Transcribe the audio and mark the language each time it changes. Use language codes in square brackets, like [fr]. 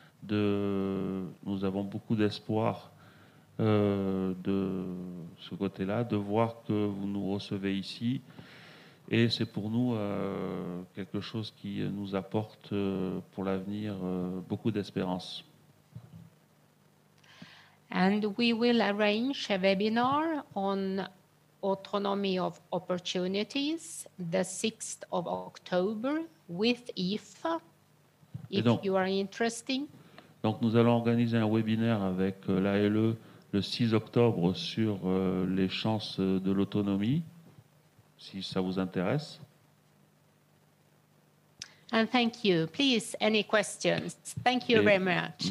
[fr] Nous avons beaucoup d'espoir de ce côté-là, de voir que vous nous recevez ici. Et c'est pour nous quelque chose qui nous apporte pour l'avenir beaucoup d'espérance. [en] And we will arrange a webinar on autonomy of opportunities the 6th of October with IFA, if donc, you are interested. [fr] Donc nous allons organiser un webinaire avec l'ALE le 6 octobre sur les chances de l'autonomie. Si ça vous intéresse. [en] And thank you. Please, any questions? Thank you very much.